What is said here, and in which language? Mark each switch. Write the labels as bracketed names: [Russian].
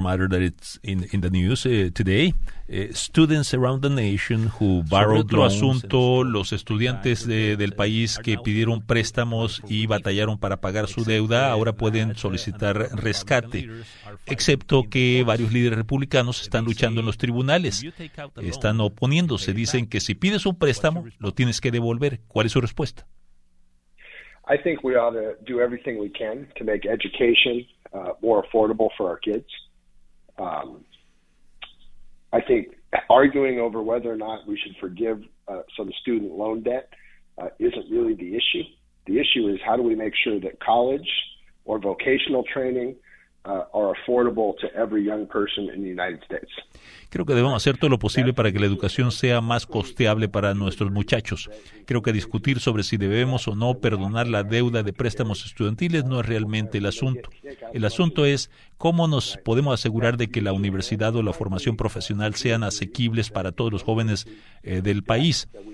[English] matter that it's in the news today. Students around the nation who borrowed loans. [Spanish] Otro asunto, los estudiantes del país que pidieron préstamos y batallaron para pagar su deuda, ahora pueden solicitar rescate, excepto que varios líderes republicanos están luchando en los tribunales, están oponiéndose, dicen que si pides un préstamo, lo tienes que devolver. ¿Cuál es su respuesta? [English] I think we ought to do everything we can to make education more affordable for our kids. I think arguing over whether or not we should forgive some student loan debt isn't really the issue. The issue is how do we make sure that college or vocational training are affordable to every young person in the United States. [Spanish] Creo que debemos hacer todo lo posible para que la educación sea más costeable para nuestros muchachos. Creo que discutir sobre si debemos o no perdonar la deuda de préstamos estudiantiles no es realmente el asunto. El asunto es ¿Cómo nos podemos asegurar de que la universidad o la formación profesional sean asequibles para todos los jóvenes del país?